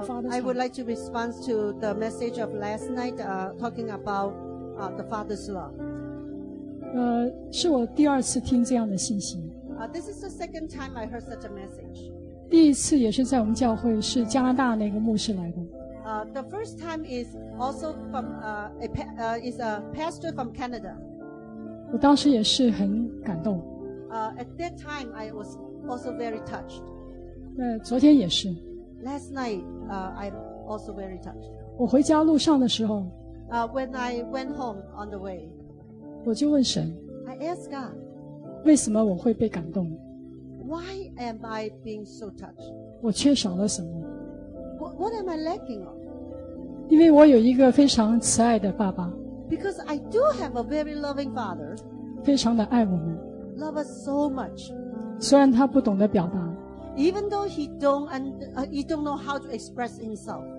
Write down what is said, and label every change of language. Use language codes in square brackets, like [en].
[en] I would like to respond to the message of last night talking about the Father's Love. [zh] 是我第二次听这样的信息。 [en] This is the second time I heard such a message. [zh] 第一次也是在我们教会，是加拿大那个牧师来的。 [en] The first time is also from a pastor from Canada. [zh] 我当时也是很感动。 [en] At that time I wasalso very touched. [zh] 昨天也是。 [en] Last night, I'm also very touched. [zh] 我回家路上的时候， [en] When I went home on the way, [zh] 我就问神， [en] I asked God, [zh] 为什么我会被感动？ [en] Why am I being so touched? [zh] 我缺少了什么？ [en] What am I lacking of? [zh] 因为我有一个非常慈爱的爸爸。 [en] Because I do have a very loving father. [zh] 非常的爱我们。 [en] Love us so much. [zh] 虽然他不懂得表达， [en] Even though he don't know how to express himself,